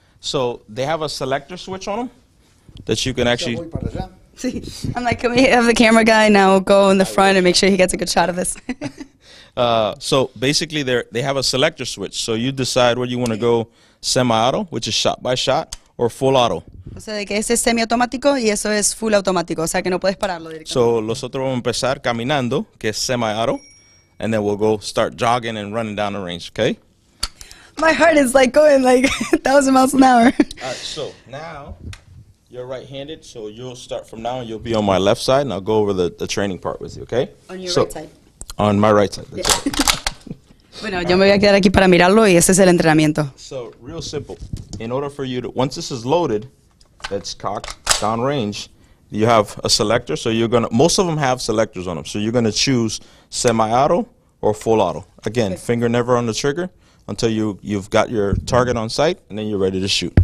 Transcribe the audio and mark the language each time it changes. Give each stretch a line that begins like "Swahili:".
English: So they have a selector switch on them that you can actually... I'm like, can we have the camera guy now go in the front and make sure he gets a good shot of this? So basically, they have a selector switch. So you decide where you want to go, semi-auto, which is shot by shot, or full auto.
Spanish: O sea, de que ese es semiautomático y eso es full automático. O sea, que no puedes pararlo directamente.
English: So
Spanish: los otros vamos a empezar caminando, que es semi-auto,
English: and then we'll go start jogging and running down the range, okay? My heart is like going like 1,000 miles an hour. So now you're right-handed, so you'll start from now and you'll be on my left side, and I'll go over the training part with you, okay? On your right side. On my right side. Yeah.
Spanish: Bueno, yo me voy a quedar aquí para mirarlo y ese es el entrenamiento.
English: So, real simple. In order for you to, once this is loaded, that's cocked down range, you have a selector. So you're going to, most of them have selectors on them. So you're going to choose semi-auto or full auto. Again, okay. Finger never on the trigger until you've got your target on sight and then you're ready to shoot.